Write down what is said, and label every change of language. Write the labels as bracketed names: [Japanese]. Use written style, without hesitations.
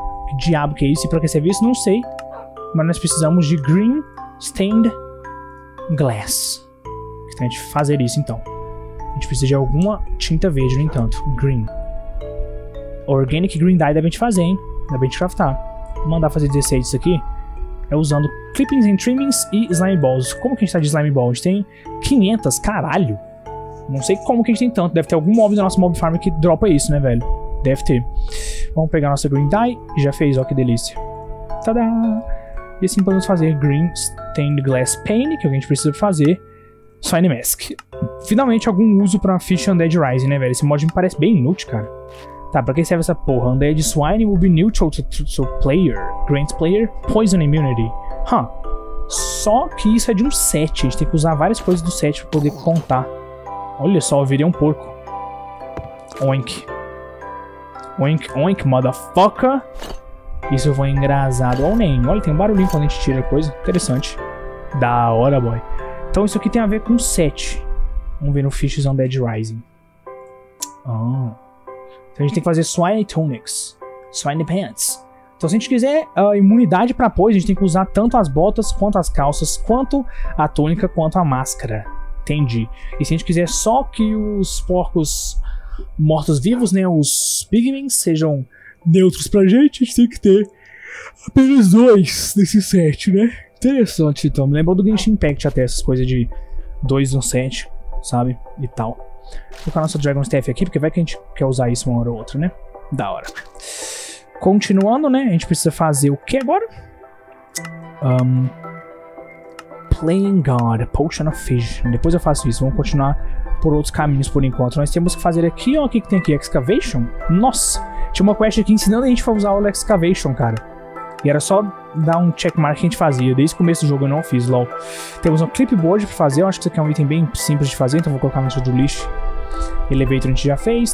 [Portuguese] Que diabo que é isso? E pra que serve isso? Não sei. Mas nós precisamos de Green Stained Glass. Que tem que fazer isso, então. A gente precisa de alguma tinta verde, no entanto. Green. Organic Green Dye dá pra gente fazer, hein? Dá pra gente craftar. Vou mandar fazer 16 isso aqui. É usando Clippings and Trimmings e Slime Balls. Como que a gente tá de Slime Balls? A gente tem 500, caralho. Não sei como que a gente tem tanto. Deve ter algum mob da nossa mob farm que dropa isso, né, velho? Deve ter. Vamos pegar nossa Green Dye. Já fez, ó, que delícia. Tadá! E assim podemos fazer Green Stained Glass Pane, que é o que a gente precisa fazer. Swine Mask. Finalmente algum uso pra Fish Undead Rising, né, velho? Esse mod me parece bem inútil, cara. Tá, pra que serve essa porra? [English] Undead Swine will be neutral to player. Grants player poison immunity. Huh. [Portuguese] Só que isso é de um set. A gente tem que usar várias coisas do set pra poder contar. Olha só, eu virei um porco. [English] Oink. Oink, oink, motherfucker. [Portuguese] Isso eu vou engrasado. Ou nem. Olha, tem um barulhinho quando a gente tira a coisa. Interessante. Da hora, boy. Então isso aqui tem a ver com set. Vamos ver no Fishes Undead Rising. Ah. Então a gente tem que fazer Swine Tunics. Swine Pants. Então se a gente quiser imunidade pra pois, a gente tem que usar tanto as botas, quanto as calças, quanto a túnica, quanto a máscara. Entendi. E se a gente quiser só que os porcos mortos-vivos, né, os pigmins, sejam neutros pra gente, a gente tem que ter apenas dois desse set, né? Interessante, então. Me lembrou do Genshin Impact até, essas coisas de dois no set, sabe? E tal. Vou colocar nosso Dragon Staff aqui, porque vai que a gente quer usar isso uma hora ou outra, né? Da hora. Continuando, né? A gente precisa fazer o que agora? [English] Playing God, Potion of Fish. [Portuguese] Depois eu faço isso. Vamos continuar por outros caminhos por enquanto. Nós temos que fazer aqui, ó. O que, que tem aqui? Excavation? Nossa! Tinha uma quest aqui ensinando a gente a usar o Excavation, cara. E era só dar um checkmark que a gente fazia. Desde o começo do jogo eu não fiz, lol. Temos um clipboard pra fazer. Eu acho que isso aqui é um item bem simples de fazer. Então vou colocar no do lixo. Elevator a gente já fez.